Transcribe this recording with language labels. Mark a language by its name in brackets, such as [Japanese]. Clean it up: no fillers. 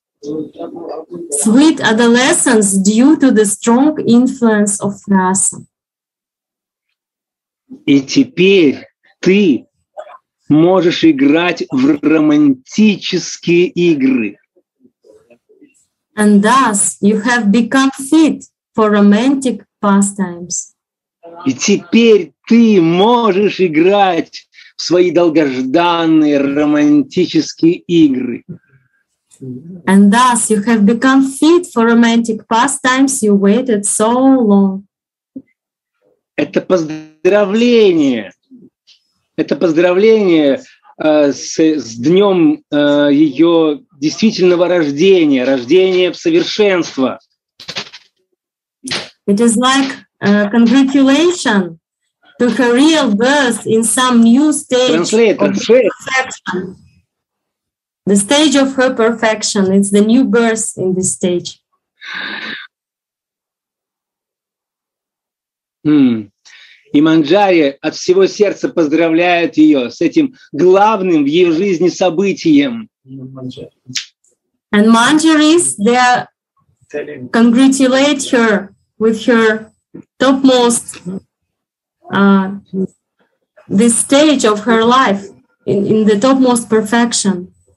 [English] Sweet adolescence due to the strong influence of rasa. [Russian] И теперь ты можешь играть в романтические игры. [English] And thus you have become fit for romantic pastimes. [Russian] И теперь ты можешь играть в свои долгожданные романтические игры. [English] And thus you have become fit for romantic pastimes you waited so long. [Russian] Это поздравление. Это поздравление с днем ее действительного рождения, рождения в совершенство. [English] It is like a congratulation to her real birth in some new stage perfection. The stage of her perfection. It's the new birth in this stage. [Russian] И Манджари от всего сердца поздравляет ее с этим главным в ее жизни событием. [English] And Manjaris, they congratulate her with her topmost this stage of her life in the topmost perfection.